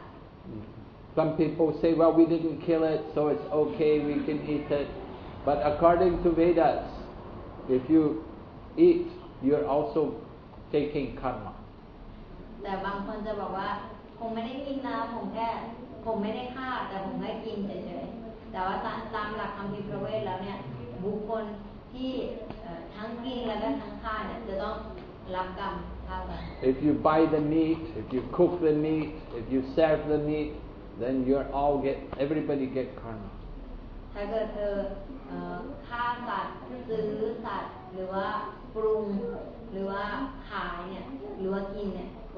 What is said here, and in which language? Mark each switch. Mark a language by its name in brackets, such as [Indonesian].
[English] Some people say well we didn't kill it so it's okay we can eat it but according to Vedas if you eat you're also taking karma [Thai] แต่บางคนจะบอกว่าผมไม่ได้กินนะผมไม่ได้ฆ่าแต่ผมแค่กินเฉยๆแต่ว่าตามหลักคำพิพากษาแล้วเนี่ยบุคคลที่ทั้งกินแล้วก็ทั้งฆ่าเนี่ยจะต้องรับกรรมเท่ากัน [English] If you buy the meat if you cook the meat if you serve the meat then you're all get everybody get karma [Thai] ถ้าเกิดเธอฆ่าสัตว์ซื้อสัตว์หรือว่าปรุงหรือว่าขายเนี่ยหรือว่ากินเนี่ย